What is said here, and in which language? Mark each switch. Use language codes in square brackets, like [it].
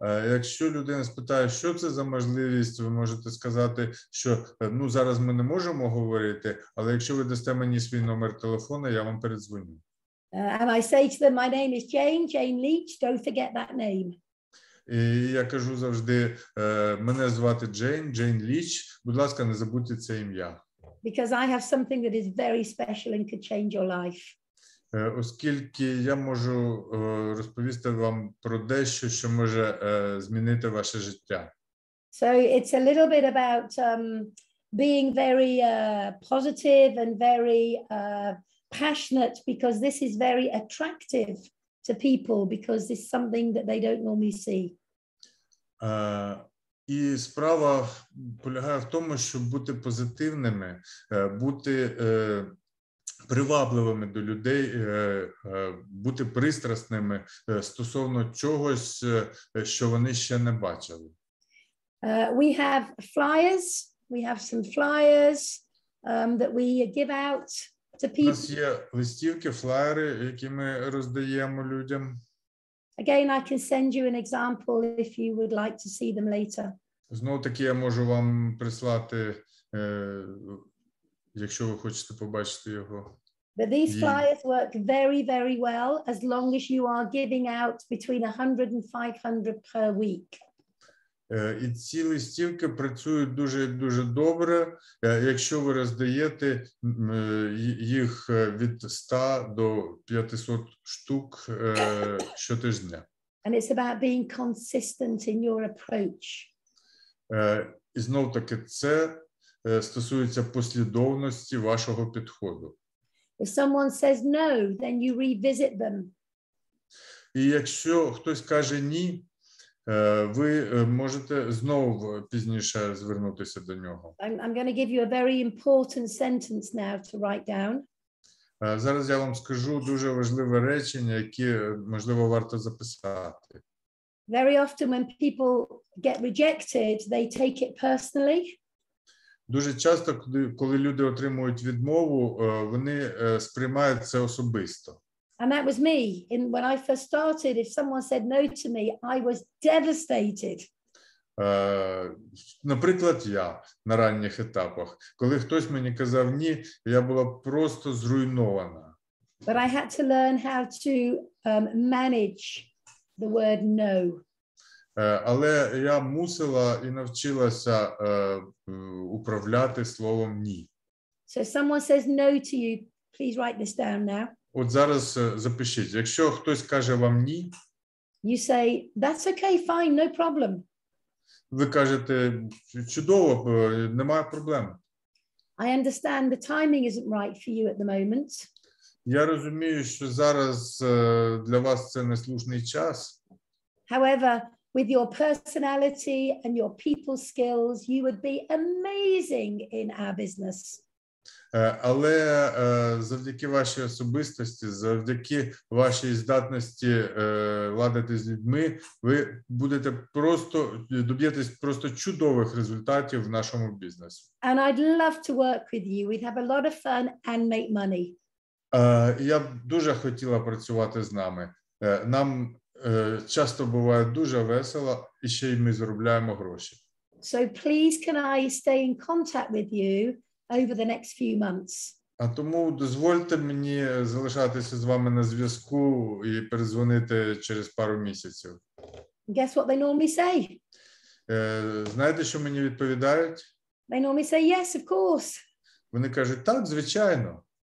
[uk] Якщо людина спитає, що це за можливість, ви можете сказати, що ну зараз ми не можемо говорити, але якщо ви дасте мені свій номер телефону, я вам передзвоню. [en] And I say to them, my name is Jane Ліч, don't forget that name. [uk] І я кажу завжди, мене звати Джейн Ліч, будь ласка, не забудьте це ім'я. [en] Because I have something that is very special and could change your life. [uk] Оскільки я можу розповісти вам про дещо, що може змінити ваше життя. [en] So it's a little bit about being very positive and very passionate, because this is very attractive to people, because it's something that they don't normally see. [uk] І справа полягає в тому, щоб бути позитивними, бути привабливими до людей, бути пристрасними стосовно чогось, що вони ще не бачили. [en] We have flyers. We have some flyers that we give out. [uk] У нас є листівки, флаєри, які ми роздаємо людям. [en] Again, I can send you an example if you would like to see them later. [uk] Знову-таки я можу вам прислати, якщо ви хочете побачити його. [en] But these flyers work very, very well as long as you are giving out between 100 and 500 per week. [uk] І ці листівки працюють дуже-дуже добре, якщо ви роздаєте їх від 100 до 500 штук щотижня. [en] And it's about being consistent in your approach. [uk] І знов-таки це стосується послідовності вашого підходу. [en] If someone says no, then you revisit them. [uk] І якщо хтось каже ні, ви можете знову пізніше звернутися до нього. [en] I'm going to give you a very important sentence now to write down. [uk] Зараз я вам скажу дуже важливе речення, яке, можливо, варто записати. [en] Very often when people get rejected, they take it personally. [uk] Дуже часто, коли люди отримують відмову, вони сприймають це особисто. [en] And that was me. And when I first started, if someone said no to me, I was devastated. [uk] Наприклад, я на ранніх етапах. Коли хтось мені казав ні, я була просто зруйнована. [en] But I had to learn how to manage the word no. [uk] Але я мусила і навчилася управляти словом ні. [en] So if someone says no to you, please write this down now. [uk] От зараз запишіть. Якщо хтось каже вам ні, [en] you say, that's okay, fine, no problem. [uk] Ви кажете, чудово, немає проблем. [en] I understand the timing isn't right for you at the moment. [uk] Я розумію, що зараз для вас це не слушний час. [en] However, with your personality and your people skills, you would be amazing in our business. [uk] Але завдяки вашій особистості, завдяки вашій здатності ладити з людьми, ви будете просто доб'єтесь просто чудових результатів в нашому бізнесі. [en] And I'd love to work with you. We'd have a lot of fun and make money. [uk] Я б дуже хотіла працювати з нами. Нам часто буває дуже весело, і ще й ми заробляємо гроші. [en] So please can I stay in contact with you over the next few months? [uk] А тому дозвольте мені залишатися з вами на зв'язку і передзвонити через пару місяців. [en] Guess what they normally say? [uk] Знаєте, що мені відповідають? [en] They normally say yes, of course. [uk] Вони кажуть, так, звичайно.